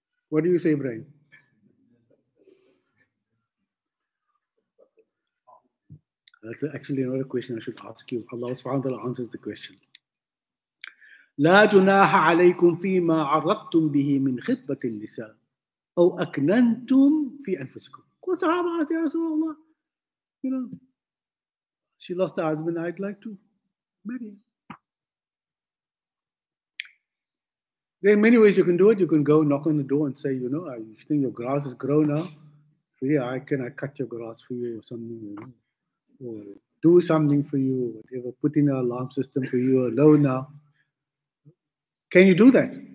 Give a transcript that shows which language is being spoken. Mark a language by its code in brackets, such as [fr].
[en] What do you say, Brian? That's actually another question I should ask you. Allah subhanahu wa ta'ala answers the question. [ar] لا جناح عليكم فيما عرضتم به من خطبة النساء أو أكننتم في أنفسكم. قل صحابة يا رسول الله. [en] You know, she lost her husband, I'd like to marry her. There are many ways you can do it. You can go knock on the door and say, you know, you think your grass has grown now? Yeah, can I cut your grass for you or something? You know? Or do something for you or whatever, put in an alarm system for you alone now. Can you do that?